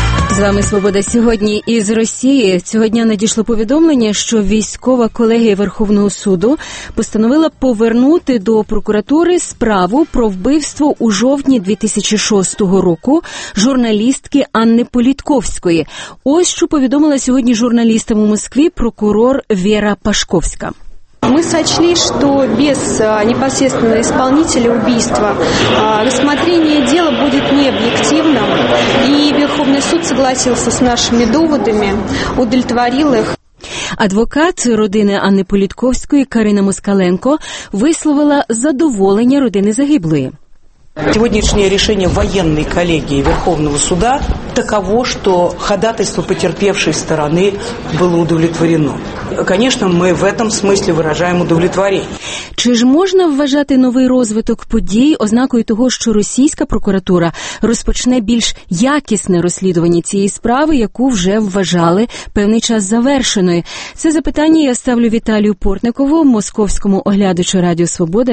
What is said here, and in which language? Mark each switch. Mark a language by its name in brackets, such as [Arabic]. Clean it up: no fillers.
[Ukrainian] З вами «Свобода сьогодні» із Росії. Цього дня надійшло повідомлення, що військова колегія Верховного суду постановила повернути до прокуратури справу про вбивство у жовтні 2006 року журналістки Анни Політковської. Ось що повідомила сьогодні журналістам у Москві прокурор Вера Пашковська. [Russian] Мы сочли, что без непосредственного исполнителя убийства рассмотрение дела будет необъективным, и Верховный суд согласился с нашими доводами, удовлетворил их. [Ukrainian] Адвокат родини Анни Політковської Карина Москаленко висловила задоволення родини загиблої. [Russian] Сегодняшнее решение военной коллегии Верховного суда таково, что ходатайство потерпевшей стороны было удовлетворено. Конечно, мы в этом смысле выражаем удовлетворение. [Ukrainian] Чи ж можна вважати новий розвиток подій ознакою того, що російська прокуратура розпочне більш якісне розслідування цієї справи, яку вже вважали певний час завершеною? Це запитання я ставлю Віталію Портникову, московському оглядачу Радіо Свобода.